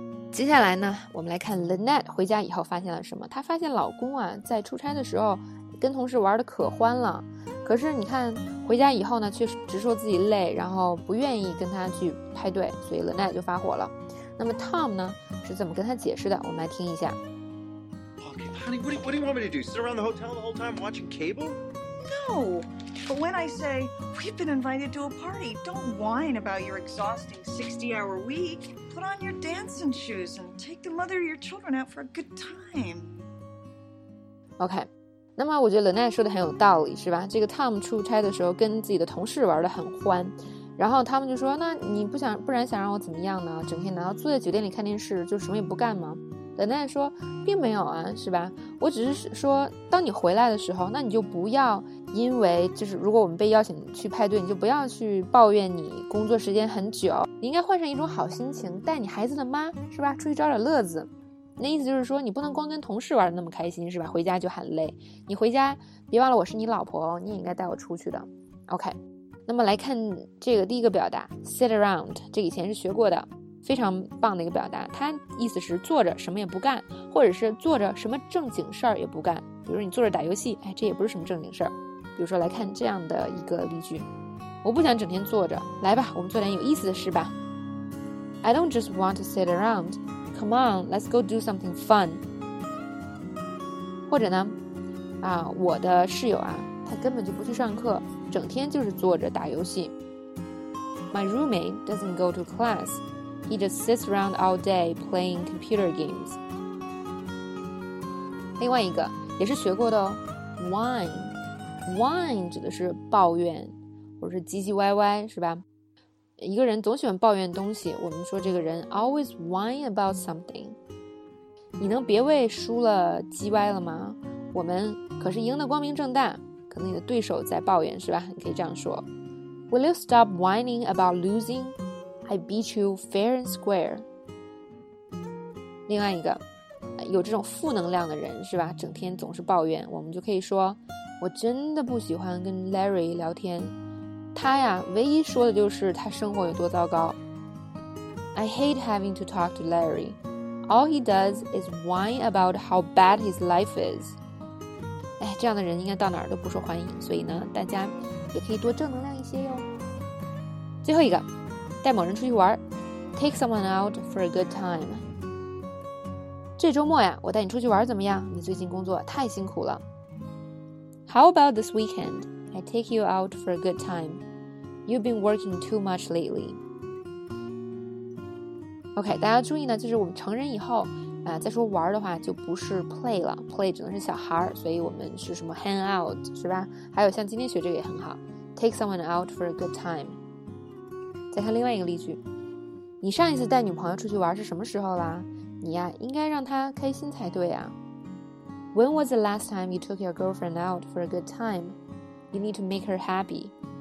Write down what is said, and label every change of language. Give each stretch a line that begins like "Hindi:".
Chinese: 接下来呢，我们来看 Lynette 回家以后发现了什么。她发现老公啊在出差的时候跟同事玩得可欢了，可是你看回家以后呢，却直说自己累，然后不愿意跟他去派对，所以 Lynette 就发火了。那么 Tom 呢是怎么跟他解释的，我们来听一下。
English: Honey, what do you want me to do? Sit around the hotel the whole time watching cable? No, but when I say we've been invited to a party, don't whine about your exhausting 60-hour week. Put on your dancing shoes and take the mother of your children out for a good time.
Chinese: OK, 那么我觉得 Lynette 说的很有道理，是吧？这个 Tom 出差的时候跟自己的同事玩得很欢，然后他们就说，那你不想，不然想让我怎么样呢？整天难道坐在酒店里看电视就什么也不干吗？冷淡说并没有啊，是吧？我只是说当你回来的时候，那你就不要因为就是如果我们被邀请去派对，你就不要去抱怨你工作时间很久，你应该换上一种好心情，带你孩子的妈，是吧，出去找点乐子。那意思就是说你不能光跟同事玩得那么开心，是吧，回家就很累。你回家别忘了我是你老婆哦，你也应该带我出去的。OK， 那么来看这个第一个表达 sit around， 这以前是学过的非常棒的一个表达，它意思是坐着什么也不干，或者是坐着什么正经事儿也不干。比如你坐着打游戏，哎，这也不是什么正经事儿。比如说来看这样的一个例句，我不想整天坐着，来吧，我们做点有意思的事吧。
English: I don't just want to sit around, come on, let's go do something fun.
Chinese: 或者呢，我的室友啊，他根本就不去上课，整天就是坐着打游戏。
English: My roommate doesn't go to classHe just sits around all day playing computer games.
Chinese: 另外一个也是学过的哦， whine. Whine 指的是抱怨或者是唧唧歪歪，是吧？一个人总喜欢抱怨东西，我们说这个人
English: always whine about something.
Chinese: 你能别为输了唧歪了吗？我们可是赢得光明正大，可能你的对手在抱怨，是吧？你可以这样说，
English: Will you stop whining about losing? I beat you fair and square.
Chinese: 另外一个，有这种负能量的人，是吧，整天总是抱怨，我们就可以说，我真的不喜欢跟 Larry 聊天，他呀唯一说的就是他生活有多糟糕。
English: I hate having to talk to Larry. All he does is whine about how bad his life is.
Chinese: 哎，这样的人应该到哪儿都不受欢迎，所以呢大家也可以多正能量一些哟。最后一个，带某人出去玩，
English: Take someone out for a good time.
Chinese: 这周末呀，我带你出去玩怎么样？你最近工作太辛苦了。
English: How about this weekend? I take you out for a good time. You've been working too much lately.
Chinese: OK, 大家注意呢，就是我们成人以后再说玩的话就不是 play 了， play 只能是小孩，所以我们是什么 hang out, 是吧？还有像今天学这个也很好，
English: Take someone out for a good time.
Chinese: 再看另外一个例句，你上一次带女朋友出去玩是什么时候啦？你呀，应该让她开心才对啊。
English: When was the last time you took your girlfriend out for a good time? You need to make her happy.